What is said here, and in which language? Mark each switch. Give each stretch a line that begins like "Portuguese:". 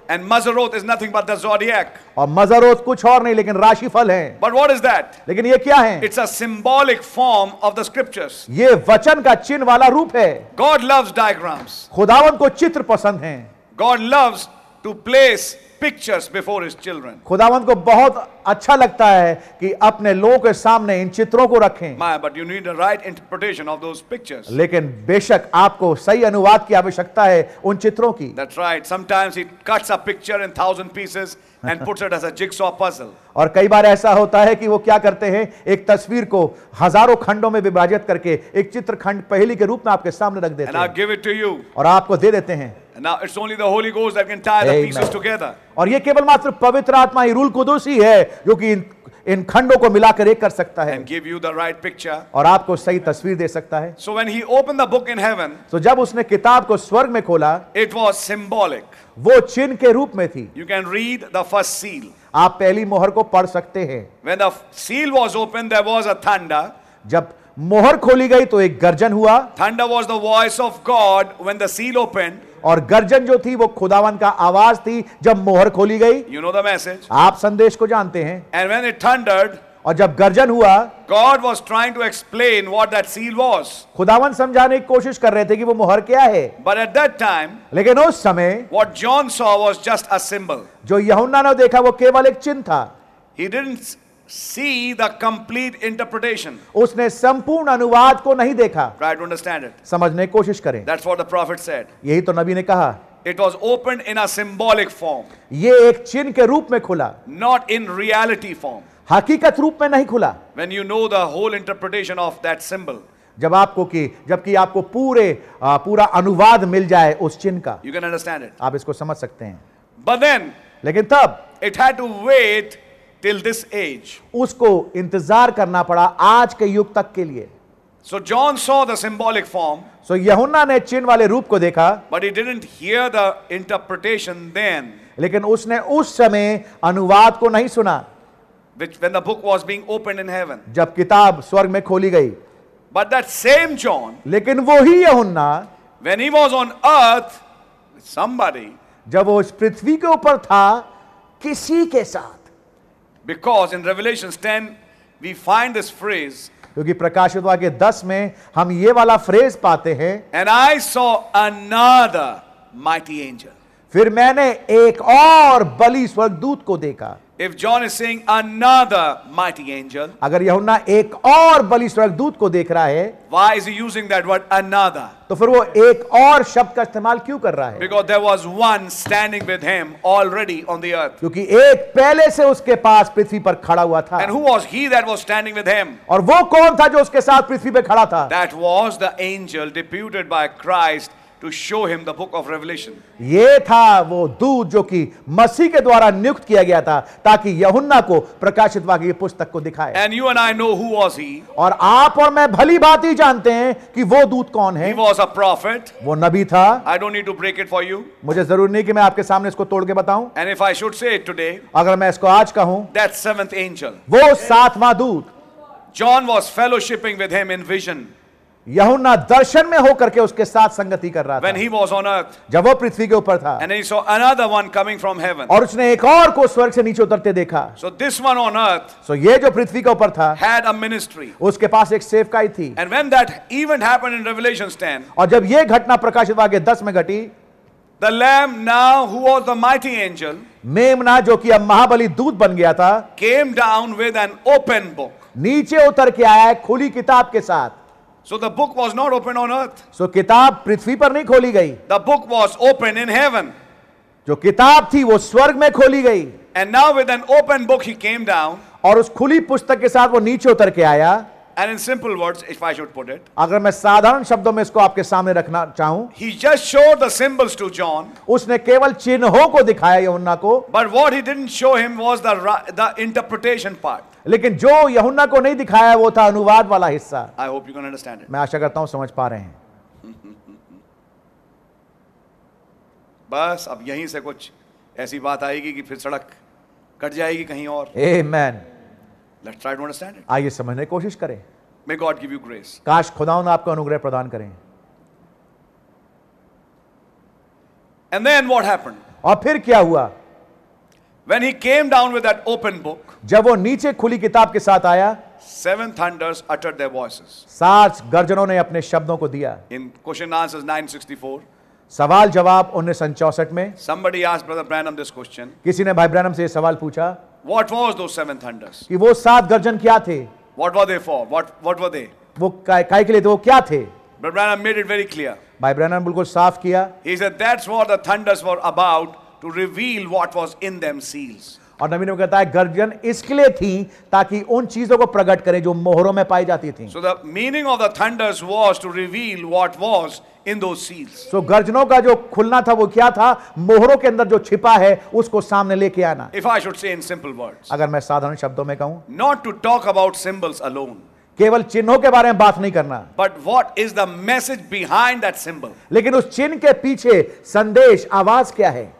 English: And Maseroth is nothing but the zodiac.
Hindi: और Maseroth कुछ और नहीं लेकिन राशि फल है.
English: But what is that?
Hindi: लेकिन ये क्या है?
English: It's a symbolic form of the scriptures.
Hindi: ये वचन का चिन्ह वाला रूप है.
English: God loves diagrams.
Hindi: खुदावन को चित्र पसंद है.
English: God loves to place pictures before his children.
Hindi: खुदावंत को बहुत अच्छा लगता है कि अपने लोगों के सामने इन चित्रों को रखें.
English: My, but you need the right interpretation of those pictures.
Hindi: लेकिन बेशक आपको सही अनुवाद की आवश्यकता है उन चित्रों की.
English: That's right. Sometimes he cuts a picture in 1,000 pieces and puts it as a jigsaw puzzle.
Hindi: और कई बार ऐसा होता है कि वो क्या करते हैं, एक तस्वीर को हजारों खंडों में विभाजित करके एक चित्र खंड पहेली के रूप में आपके सामने रख देते हैं.
English: And I'll give it to you.
Hindi: और आपको दे देते हैं.
English: Now it's only the Holy Ghost that can tie the pieces together.
Hindi: और ये केवल मात्र पवित्र आत्मा ही रूल कुदूस ही है जो कि इन खंडों को मिलाकर एक कर सकता है.
English: And give you the right picture.
Hindi: और आपको सही तस्वीर दे सकता है.
English: So when he opened the book in heaven.
Hindi: So जब उसने किताब को स्वर्ग में खोला.
English: It was symbolic.
Hindi: वो चिन्ह के रूप में थी.
English: You can read the first seal.
Hindi: आप पहली मोहर को पढ़ सकते हैं.
English: When the seal was opened, there was a thunder.
Hindi: जब मोहर खोली गई तो एक गर्जन हुआ.
English: Thunder was the voice of God when the seal opened.
Hindi: और गर्जन जो थी वो खुदावन का आवाज थी जब मोहर खोली गई.
English: You know the message.
Hindi: आप संदेश को जानते हैं.
English: And when it thundered,
Hindi: और जब गर्जन हुआ,
English: God was trying to explain what that seal was.
Hindi: खुदावन समझाने की कोशिश कर रहे थे कि वो मोहर क्या है.
English: But at that time,
Hindi: लेकिन उस समय,
English: what John saw was just a symbol.
Hindi: जो यहुन्ना ने देखा वो केवल एक चिन्ह था.
English: He didn't see the complete interpretation.
Hindi: उसने संपूर्ण अनुवाद को नहीं देखा.
English: Try to understand it.
Hindi: समझने की कोशिश करें.
English: That's what the prophet said.
Hindi: यही तो नबी ने कहा.
English: It was opened in a symbolic form.
Hindi: ये एक चिन्ह के रूप में खुला.
English: Not in reality form.
Hindi: हकीकत रूप में नहीं खुला.
English: When you know the whole interpretation of that symbol.
Hindi: जबकि आपको पूरा अनुवाद मिल जाए उस चिन्ह का.
English: You can understand it.
Hindi: आप इसको समझ सकते हैं.
English: But then.
Hindi: लेकिन तब.
English: It had to wait. Till this age.
Hindi: उसको इंतजार करना पड़ा आज के युग तक के लिए.
English: So John saw the symbolic form.
Hindi: So यहुन्ना ने चिन्ह वाले रूप को देखा.
English: But he didn't hear the interpretation then.
Hindi: लेकिन उसने उस समय अनुवाद को नहीं सुना.
English: Which when the book was being opened in heaven.
Hindi: जब किताब स्वर्ग में खोली गई.
English: But that same John.
Hindi: लेकिन वो ही यहुन्ना.
English: When he was on earth, somebody.
Hindi: जब वो इस पृथ्वी के ऊपर था किसी के साथ.
English: Because in Revelation 10, we find this phrase.
Hindi: क्योंकि प्रकाशित वाक्य 10 में हम ये वाला फ्रेज पाते हैं.
English: And I saw another mighty angel.
Hindi: फिर मैंने एक और बलि स्वर्गदूत को देखा.
English: If John is saying another mighty angel,
Hindi: अगर यहुन्ना एक और बलि स्वर्गदूत को देख रहा है,
English: why is he using that word another?
Hindi: तो फिर वो एक और शब्द का इस्तेमाल क्यों कर रहा है?
English: Because there was one standing with him already on the earth.
Hindi: क्योंकि एक पहले से उसके पास पृथ्वी पर खड़ा हुआ था.
English: And who was he that was standing with him?
Hindi: और वो कौन था जो उसके साथ पृथ्वी पे खड़ा था?
English: That was the angel deputed by Christ to show him the book of Revelation.
Hindi: ये था वो दूत जो कि मसीह के द्वारा नियुक्त किया गया था ताकि यहुन्ना को प्रकाशित वाक्य की पुस्तक को दिखाए.
English: And you and I know who was he.
Hindi: और आप और मैं भली भांति जानते हैं कि वो दूत कौन है.
English: He was a prophet.
Hindi: वो नबी था.
English: I don't need to break it for you.
Hindi: मुझे जरूरी नहीं कि मैं आपके सामने इसको तोड़ के बताऊं.
English: And if I should say it today,
Hindi: अगर मैं इसको आज कहूं,
English: that seventh angel.
Hindi: वो सातवां दूत.
English: John was fellowshipping with him in vision.
Hindi: यहुन्ना दर्शन में होकर के उसके साथ संगति कर रहा था.
English: When he was on earth,
Hindi: जब वो पृथ्वी के ऊपर था.
English: And he saw another one coming from heaven.
Hindi: और उसने एक और को स्वर्ग से नीचे उतरते देखा.
English: So this one on earth,
Hindi: so ये जो पृथ्वी के ऊपर था,
English: had a ministry.
Hindi: उसके पास एक सेवकाई थी.
English: And when that event happened in Revelation 10,
Hindi: और जब ये घटना प्रकाशित वाक्य 10 में घटी,
English: the Lamb now who was the mighty angel,
Hindi: मेमना जो कि अब महाबली दूत बन गया था,
English: came down with an open book.
Hindi: नीचे उतर के आया खुली किताब के साथ.
English: So the book was not opened on earth.
Hindi: So किताब पृथ्वी पर नहीं खोली गई.
English: The book was opened in heaven.
Hindi: जो किताब थी वो स्वर्ग में खोली गई.
English: And now with an open book he came down.
Hindi: और उस खुली पुस्तक के साथ वो नीचे उतर के आया.
English: And in simple words, if I should put it,
Hindi: अगर मैं साधारण शब्दों में इसको आपके सामने रखना चाहूं,
English: he just showed the symbols to John.
Hindi: उसने केवल चिन्हों को दिखाया यहुन्ना को.
English: But what he didn't show him was the interpretation part.
Hindi: लेकिन जो यहुन्ना को नहीं दिखाया वो था अनुवाद वाला हिस्सा.
English: I hope you can understand it.
Hindi: मैं आशा करता हूं समझ पा रहे हैं. बस अब यहीं से कुछ ऐसी बात आएगी कि फिर सड़क कट जाएगी कहीं और.
English: Amen. Let's try to understand it.
Hindi: आइए समझने की कोशिश करें.
English: May God give you grace.
Hindi: काश खुदावन आपको अनुग्रह प्रदान करें.
English: And then what happened?
Hindi: और फिर क्या हुआ?
English: When he came down with that open book,
Hindi: जब वो नीचे खुली किताब के साथ आया,
English: seven thunders uttered their voices.
Hindi: सात गर्जनों ने अपने शब्दों को दिया.
English: In question answers 964.
Hindi: सवाल जवाब 1964 में.
English: Somebody asked Brother Branham this question.
Hindi: किसी ने भाई ब्रैनम से ये सवाल पूछा.
English: What was those seven thunders?
Hindi: कि वो सात गर्जन क्या थे?
English: What were they for? What were they?
Hindi: वो काय के लिए थे? वो क्या थे?
English: Brother Branham made it very clear.
Hindi: भाई ब्रैनम बिल्कुल साफ किया.
English: He said that's what the thunders were about. To reveal what was in them seals.
Hindi: और नबी ने कहता है गर्जन इसके लिए थी ताकि उन चीजों को प्रकट करें जो मोहरों में पाई जाती थीं.
English: So the meaning of the thunders was to reveal what was in those seals.
Hindi: So गर्जनों का जो खुलना था वो क्या था? मोहरों के अंदर जो छिपा है उसको सामने लेके आना.
English: If I should say in simple words.
Hindi: अगर मैं साधारण शब्दों में कहूँ.
English: Not to talk about symbols alone.
Hindi: केवल चिन्हों के बारे में बात नहीं करना.
English: But what is the message behind that symbol?
Hindi: लेकिन उस चिन्ह के पीछे संदेश आवाज क्या है?